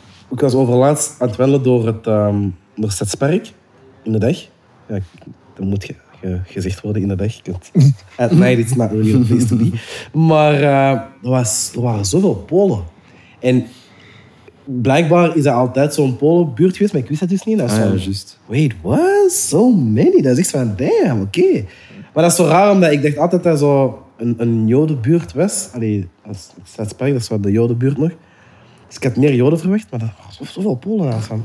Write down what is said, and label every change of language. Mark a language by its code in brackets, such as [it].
[nl] Ik was overlaatst aan het wellen door het Stadspark in de dag. Ja, dat moet gezegd worden in de dag. [en] At night it's not really a place to be. [nl] Maar er waren zoveel Polen. En blijkbaar is dat altijd zo'n Polenbuurt geweest, maar ik wist dat dus niet. Dat ja, juist. [en] Wait, what? So many? [nl] Dat is echt van, [en] damn, oké. Okay. [nl] Maar dat is zo raar, omdat ik dacht altijd dat zo een Jodenbuurt was. Allee, als Stadspark, dat is wel de Jodenbuurt nog. Dus ik had meer Joden verwacht, maar er was zoveel Polen aan gaan.